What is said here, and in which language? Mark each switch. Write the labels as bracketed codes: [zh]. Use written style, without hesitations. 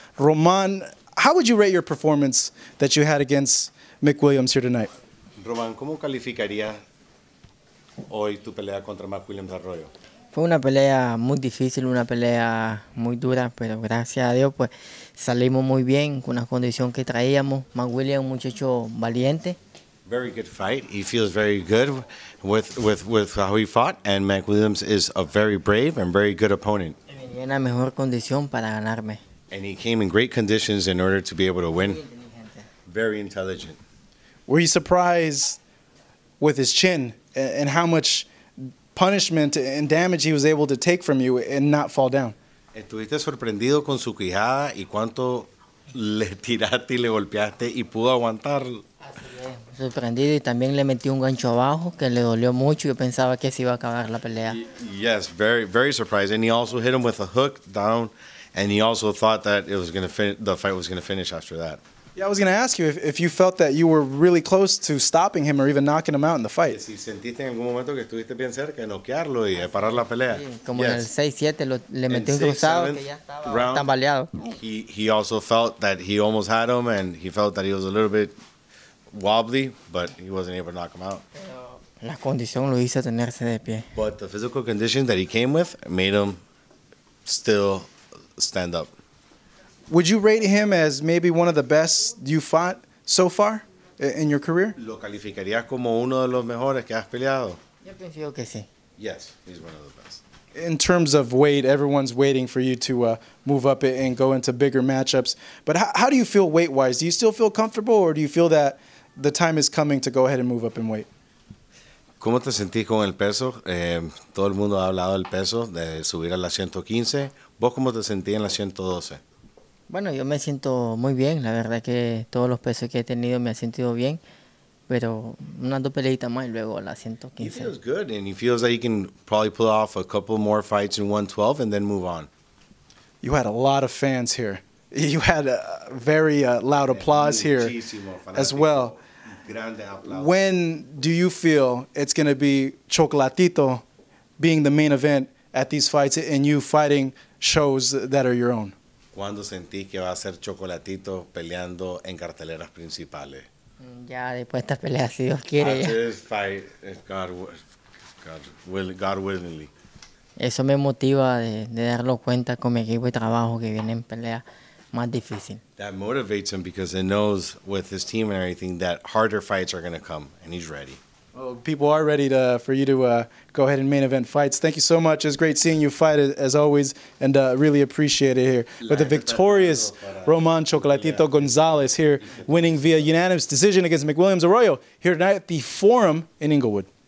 [en] Roman, how would you rate your performance that you had against McWilliams here tonight? [es] Roman, ¿cómo calificaría hoy tu pelea contra McWilliams Arroyo? Fue una pelea muy difícil, una pelea muy dura, pero gracias a Dios pues salimos muy bien con la condición que traíamos. McWilliams, un muchacho valiente. [en] Very good fight. He feels very good with how he fought, and McWilliams is a very brave and very good opponent. [es] Y venía en la mejor condición para ganarme. [en] And he came in great conditions in order to be able to win. Very intelligent. Were you surprised with his chin and how much punishment and damage he was able to take from you and not fall down? [es] ¿Estuviste sorprendido con su quijada y cuánto le tiraste y le golpeaste y pudo aguantar? Sorprendido y también le metí un gancho abajo que le dolió mucho y yo pensaba que se iba a acabar la pelea. [en] Yes, very, very surprised. And he also hit him with a hook down, and he also thought that it was going to the fight was going to finish after that. Yeah, I was going to ask you if you felt that you were really close to stopping him or even knocking him out in the fight. [es] Si sentiste en algún momento que estuviste bien cerca de noquearlo y parar la pelea. Como en el 6-7 le metí un cruzado que ya estaba tambaleado. [en] He also felt that he almost had him, and he felt that he was a little bit wobbly, but he wasn't able to knock him out. [es] La condición lo hizo tenerse de pie. [en] But the physical condition that he came with made him still stand up. Would you rate him as maybe one of the best you fought so far in your career? [es] ¿Lo calificarías como uno de los mejores que has peleado? Yo pienso que sí. [en] Yes, he's one of the best. In terms of weight, everyone's waiting for you to move up and go into bigger matchups. But how do you feel weight-wise? Do you still feel comfortable, or do you feel that the time is coming to go ahead and move up in weight? [es] ¿Cómo te sentís con el peso? Todo el mundo ha hablado del peso, de subir a la 115. ¿Vos cómo te sentís en la 112? Bueno, yo me siento muy bien. La verdad que todos los pesos que he tenido me ha sentido bien. Pero unas dos peleitas más y luego la 115. [en] He feels good, and he feels that he can probably pull off a couple more fights in 112 and then move on. You had a lot of fans here. You had a very loud applause here as well. When do you feel it's going to be Chocolatito being the main event at these fights and you fighting shows that are your own? [es] ¿Cuándo sentís que va a ser Chocolatito peleando en carteleras principales? Ya después de esta pelea, si Dios quiere. [en] After this fight, God willingly. [es] Eso me motiva de darlo cuenta con mi equipo de trabajo que viene en pelea. [en] That motivates him because it knows with his team and everything that harder fights are going to come, and he's ready. Well, people are ready for you to go ahead and main event fights. Thank you so much. It's great seeing you fight, as always, and really appreciate it here. With the victorious Roman Chocolatito Gonzalez here winning via unanimous decision against McWilliams Arroyo here tonight at the Forum in Inglewood.